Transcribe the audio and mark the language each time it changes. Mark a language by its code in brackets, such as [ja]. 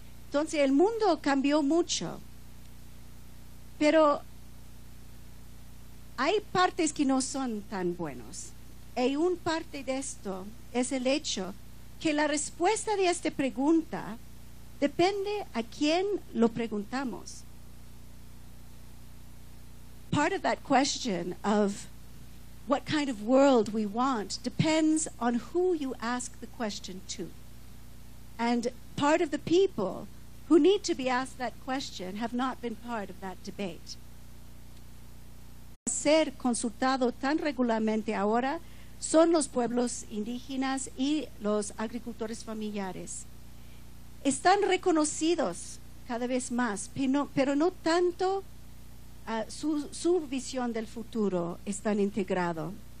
[es] Entonces el mundo cambió mucho, pero hay partes que no son tan buenos, y una parte de esto es el hecho que la respuesta de esta pregunta depende a quién lo preguntamos. [en] Part of that question of what kind of world we want depends on who you ask the question to. And part of the people who need to be asked that question have not been part of that debate. [es] Ser consultado tan regularmente ahora son los pueblos indígenas y los agricultores familiares. Están reconocidos cada vez más, pero no tanto su visión del futuro están integrado.